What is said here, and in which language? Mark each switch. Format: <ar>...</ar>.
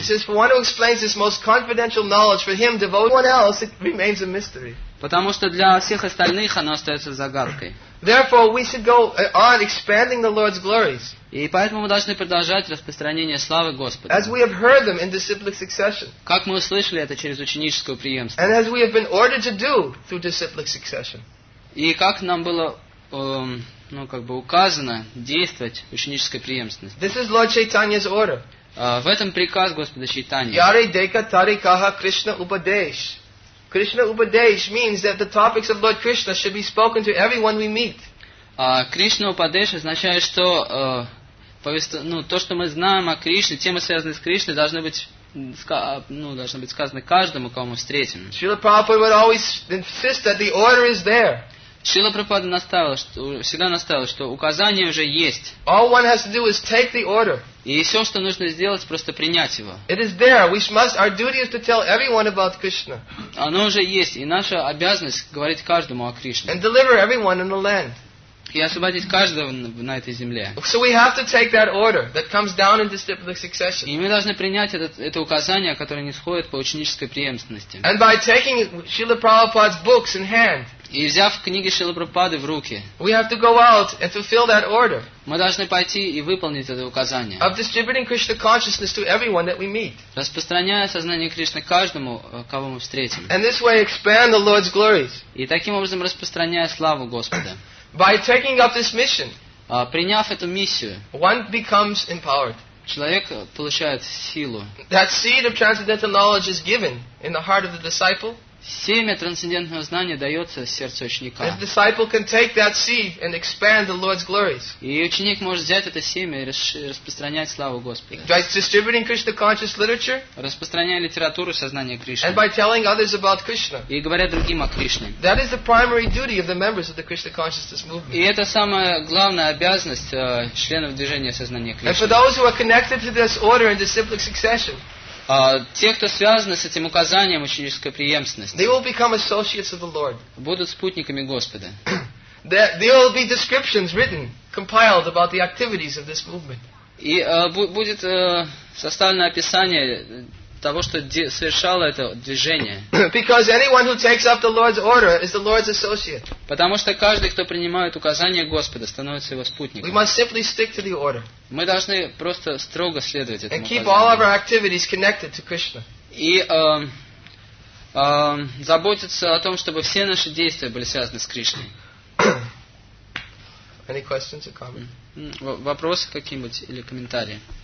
<en>Since for one who explains this most confidential knowledge for him, devotee, one else, it remains a mystery.</en> <ru>Потому что для всех остальных оно остается загадкой.</ru> <en>Therefore, we should go on expanding the Lord's glories.</en> <ru>И поэтому мы должны продолжать распространение славы Господа.</ru> <en>As we have heard them in disciplic succession.</en> <ru>Как мы услышали это через ученическую преемство.</ru> <en>And as we have been ordered to do through disciplic succession.</en> <ru>И как нам было указано действовать ученической преемственности.</ru> <en>This is Lord Chaitanya's order.</en> <ru>В этом приказ Господа Чайтаньи.</ru> <bn>Яри дека тари каха Кришна упадеш.</bn> <en>Кришна упадеш means that the topics of Lord Krishna should be spoken to everyone we meet.</en> <ru>Кришна упадеш означает, что то, что мы знаем о Кришне, темы, связанные с Кришной, должны быть сказаны каждому, кого мы встретим.</ru> <en>Шрила Прабхупада would always insist that the order is there.</en> <ru>Шрила Прабхупада всегда настаивал, что указание уже есть.</ru> <en>All one has to do is take the order.</en> <ru>И все, что нужно сделать, просто принять его.</ru> <en>It is there. Our duty is to tell everyone about Krishna.</en> <ru>Оно уже есть, и наша обязанность говорить каждому о Кришне.</ru> <en>And deliver everyone in the land.</en> <ru>И освободить каждого на этой земле.</ru> <en>So we have to take that order that comes down in disciplic succession.</en> <ru>И мы должны принять это указание, которое нисходит по ученической преемственности.</ru> <en>And by taking Srila Prabhupada's books in hand.</en> <ru>И взяв книги Шрилы Прабхупады в руки.</ru> <en>We have to go out and fulfill that order.</en> <ru>Мы должны пойти и выполнить это указание.</ru> <en>Of distributing Krishna consciousness to everyone that we meet.</en> <ru>Распространяя сознание Кришны каждому, кого мы встретим.</ru> <en>And this way expand the Lord's glories.</en> <ru>И таким образом распространяя славу Господа.</ru> <en>By taking up this mission,</en> <ru>приняв эту миссию,</ru> <en>one becomes empowered.</en> <ru>Человек получает силу.</ru> <en>That seed of transcendental knowledge is given in the heart of the disciple.</en> <ru>Семя трансцендентного знания дается сердцу ученика.</ru> <en>The disciple can take that seed and expand the Lord's glories.</en> <ru>И ученик может взять это семя и распространять славу Господа.</ru> <en>By distributing Krishna conscious literature.</en> <ru>Распространяя литературу сознания Кришны.</ru> <en>And by telling others about Krishna.</en> <ru>И говоря другим о Кришне.</ru> <en>That is the primary duty of the members of the Krishna consciousness movement.</en> <ru>И это самая главная обязанность членов движения сознания Кришны.</ru> <en>And for those who are connected to this order in disciplic succession.</en> <ru>Те, кто связаны с этим указанием ученической преемственности,</ru> <en>they will become associates of the Lord.</en> <ru>Будут спутниками Господа.</ru> <en>There will be descriptions written, compiled about the activities of this movement.</en> <ru>И будет составлено описание того, что совершало это движение.</ru> <en>Because anyone who takes up the Lord's order is the Lord's associate.</en> <ru>Потому что каждый, кто принимает указание Господа, становится его спутником.</ru> <en>We must simply stick to the order.</en> <ru>Мы должны просто строго следовать этому.</ru> <en>And keep all of our activities connected to Krishna.</en> <ru>И заботиться о том, чтобы все наши действия были связаны с Кришной.</ru> <en>Any questions or comments?</en> <ru>Вопросы какие-нибудь или комментарии?</ru>